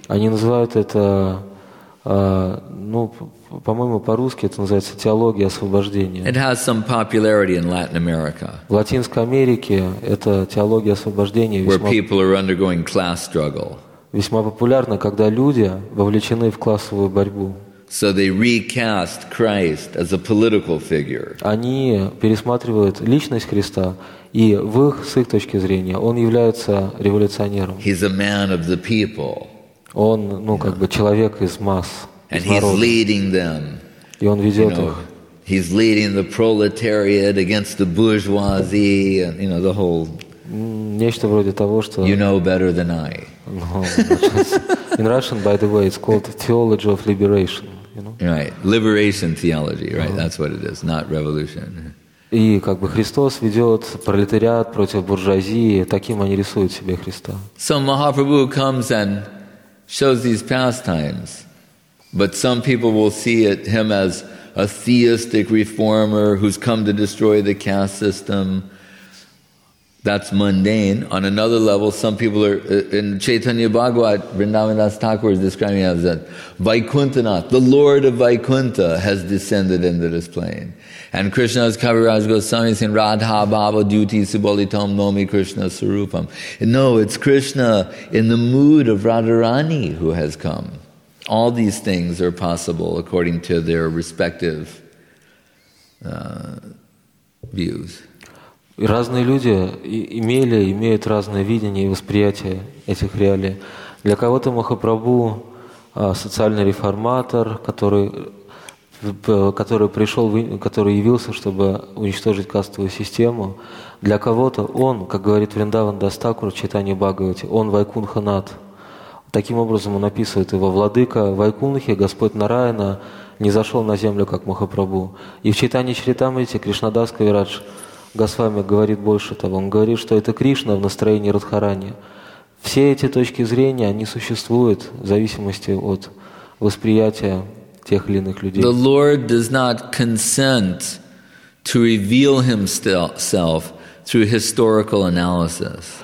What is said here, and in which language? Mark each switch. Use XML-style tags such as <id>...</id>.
<ru>Они называют это, по-моему, по-русски это называется теология освобождения.</ru> <en>It has some popularity in Latin America.</en> <ru>В Латинской Америке это теология освобождения.</ru> <en>Where people are undergoing class struggle.</en> <ru>Весьма популярно, когда люди вовлечены в классовую борьбу.</ru> <en>So they recast Christ as a political figure.</en> <ru>Они пересматривают личность Христа И в их, с их точки зрения, он является революционером.</ru> <en>He's a man of the people.</en> <ru>Он, ну, как бы человек из масс,</ru> <en>And</en> <ru>из народа.</ru> <en>He's leading them.</en> <ru>И он ведет их.</ru> <en>He's leading the proletariat against the bourgeoisie, and, you know, the whole...</en> <ru>Нечто вроде того, что...</ru> <en>You know better than I. In Russian, by the way, it's called the theology of liberation. You know? Right, liberation theology, right, that's what it is, not revolution.</en> <ru>И как бы Христос ведет пролетариат против буржуазии, таким они рисуют себе Христа.</ru> <en>So Mahaprabhu comes and shows these pastimes, but some people will see it, him as a theistic reformer who's come to destroy the caste system. That's mundane. On another level, some people are, in Chaitanya Bhagavat, Vrindavan Das Thakur is describing it as that Vaikunthanath, the Lord of Vaikuntha, has descended into this plane. And Krishna's Kaviraj Goswami saying,</en> <sa>Radha Bhava Dyuti Subalitam Nomi Krishna Sarupam.</sa> <en>No, it's Krishna in the mood of Radharani who has come. All these things are possible according to their respective views.</en> <ru>И разные люди имели, имеют разное видение и восприятие этих реалий. Для кого-то Махапрабху – социальный реформатор, который явился, чтобы уничтожить кастовую систему. Для кого-то он, как говорит Вриндаван Дас Такур в Чайтанье Бхагавате, он Вайкунханат. Таким образом он описывает его: владыка Вайкунхи, Господь Нараяна, не зашел на землю, как Махапрабху. И в Чайтанье Чаритамрите Кришнадас Кавирадж Госвами говорит больше того. Он говорит, что это Кришна в настроении Радхарани. Все эти точки зрения, они существуют в зависимости от восприятия тех или иных людей.</ru> <en>The Lord does not consent to reveal himself through historical analysis.</en>